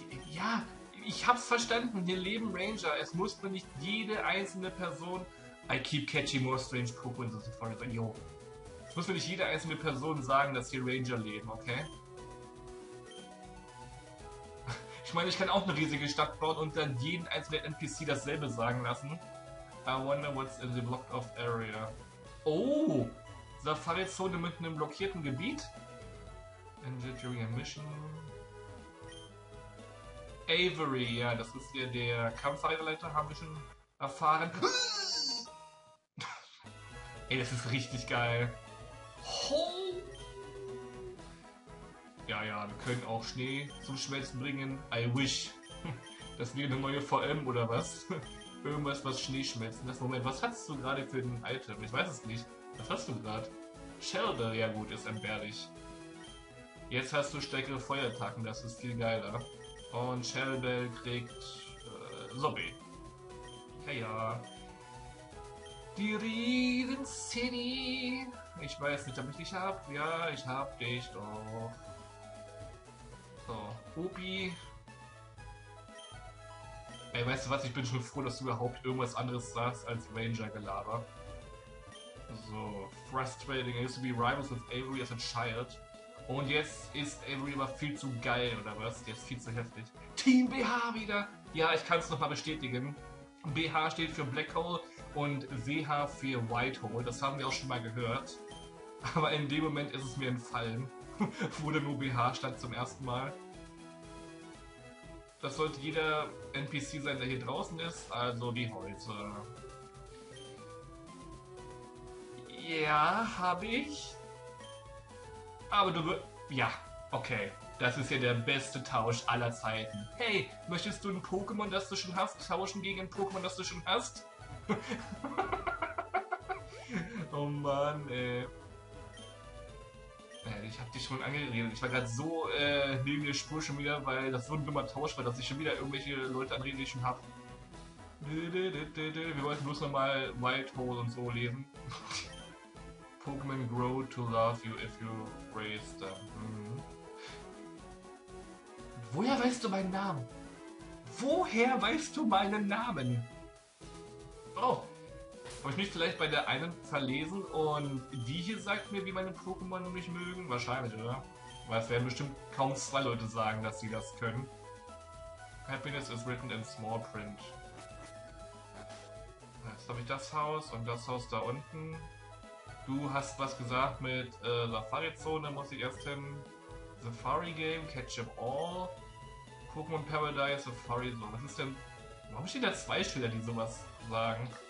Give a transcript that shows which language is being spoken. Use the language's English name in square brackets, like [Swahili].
[German] Ja, ich hab's verstanden. Hier leben Ranger. Es muss mir nicht jede einzelne Person. [English] I keep catching more strange Pokémon so far. [German] Yo. Es muss mir nicht jede einzelne Person sagen, dass hier Ranger leben, okay? Ich meine, ich kann auch eine riesige Stadt bauen und dann jeden einzelnen NPC dasselbe sagen lassen. [English] I wonder what's in the blocked off area. Oh! [German] Safari-Zone mit einem blockierten Gebiet. [English] Injured during a mission. [German] Avery, ja, das ist ja der Kampfreiterleiter, haben wir schon erfahren. Ey, das ist richtig geil. Ho! Ja, ja, wir können auch Schnee zum Schmelzen bringen. [English] I wish. [German] Das wäre eine neue VM oder was? Irgendwas, was Schnee schmelzen lässt. Moment, was hast du gerade für ein Item? Ich weiß es nicht. Was hast du gerade? Shelter, ja gut, ist entbehrlich. Jetzt hast du stärkere Feuerattacken, das ist viel geiler. Und Shelter kriegt... Sobby. Ja, ja. Die Riven City. Ich weiß nicht, ob ich dich hab. Ja, ich hab dich doch. So, Opi. Ey, weißt du was, ich bin schon froh, dass du überhaupt irgendwas anderes sagst als Ranger-Gelaber. [English] So, frustrating. I used to be rivals with Avery as a child. [German] Und jetzt ist Avery aber viel zu geil, oder was? Der ist viel zu heftig. Team BH wieder! Ja, ich kann es nochmal bestätigen. BH steht für Black Hole und WH für White Hole. Das haben wir auch schon mal gehört. Aber in dem Moment ist es mir entfallen. Wurde nur BH statt zum ersten Mal. Das sollte jeder NPC sein, der hier draußen ist. Also die Häuser. Ja, habe ich. Aber du wirst... Ja, okay. Das ist ja der beste Tausch aller Zeiten. Hey, möchtest du ein Pokémon, das du schon hast, tauschen gegen ein Pokémon, das du schon hast? Oh Mann, ey. Ich habe dich schon angeredet. Ich war gerade so neben der Spur schon wieder, weil das so ein dummer Tausch war, dass ich schon wieder irgendwelche Leute anrede, die ich schon habe. Wir wollten bloß nochmal Wild Hole und so leben. [English] Pokémon grow to love you if you raise them. [German] Woher weißt du meinen Namen? Woher weißt du meinen Namen? Oh, habe ich mich vielleicht bei der einen verlesen und die hier sagt mir, wie meine Pokémon mich mögen? Wahrscheinlich, oder? Weil es werden bestimmt kaum zwei Leute sagen, dass sie das können. [English] Happiness is written in small print. [German] Jetzt habe ich das Haus und das Haus da unten. Du hast was gesagt mit Safari-Zone, muss ich erst hin. Safari-Game, Catch-em-all. Pokémon Paradise, Safari-Zone. Was ist denn... Warum stehen da zwei Schilder, die sowas sagen?